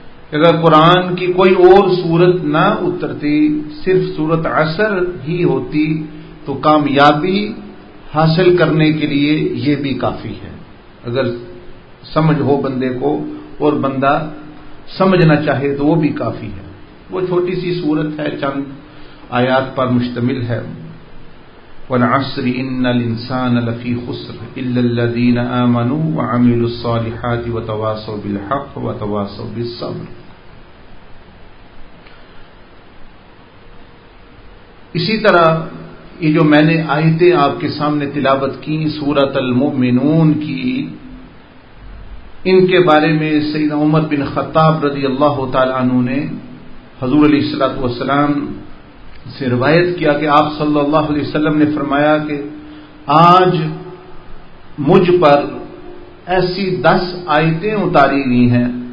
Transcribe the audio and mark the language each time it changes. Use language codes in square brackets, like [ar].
[ur] کہ اگر قرآن کی کوئی اور سورت نہ اترتی صرف سورۃ عصر ہی ہوتی تو کامیابی حاصل کرنے کے لیے یہ بھی کافی ہے، اگر سمجھ ہو بندے کو اور بندہ سمجھنا چاہے تو وہ بھی کافی ہے، وہ چھوٹی سی سورت ہے چند آیات پر مشتمل ہے. [ar] والعصر ان الانسان لفی خسر الا الذین آمنوا وعملوا الصالحات وتواصوا بالحق وتواصوا بالصبر. [ur] اسی طرح یہ جو میں نے آیتیں آپ کے سامنے تلاوت کی سورۃ المؤمنون کی، ان کے بارے میں سیدنا عمر بن خطاب رضی اللہ تعالی عنہ نے حضور علیہ الصلوۃ والسلام سے روایت کیا کہ آپ صلی اللہ علیہ وسلم نے فرمایا کہ آج مجھ پر ایسی 10 آیتیں اتاری گئی ہیں